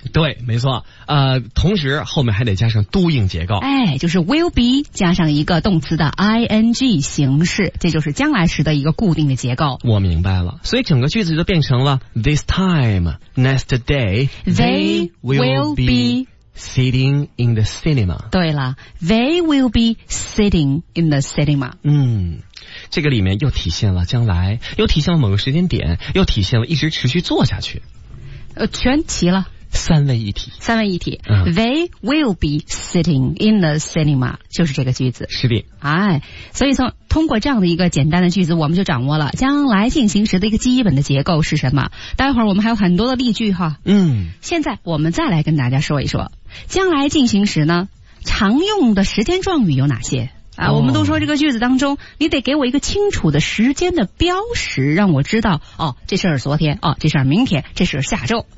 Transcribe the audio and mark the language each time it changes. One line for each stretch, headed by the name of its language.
Chinese: 对没错同时后面还得加上 doing 结构哎，就是 will be 加上一个动词的 ing 形式这就是将来时的一个固定的结构我明白了所以整个句子就变成了
English: this time next day they will be sitting in the cinema
Chinese: 对了
English: they will be sitting in the cinema
Chinese: 嗯这个里面又体现了将来又体现了某个时间点又体现了一直持续做下去全齐了三位一体、
English: 嗯、They will be sitting in the cinema
Chinese: 就是这个句子是的、哎、所以通过这样的一个简单的句子我们就掌握了将来进行时的一个基本的结构是什么待会儿我们还有很多的例句哈。嗯，现在我们再来跟大家说一说将来进行时呢常用的时间状语有哪些啊，我们都说这个句子当中，你得给我一个清楚的时间的标识，让我知道，哦，这事儿昨天，哦，这事儿明天，这事儿下周，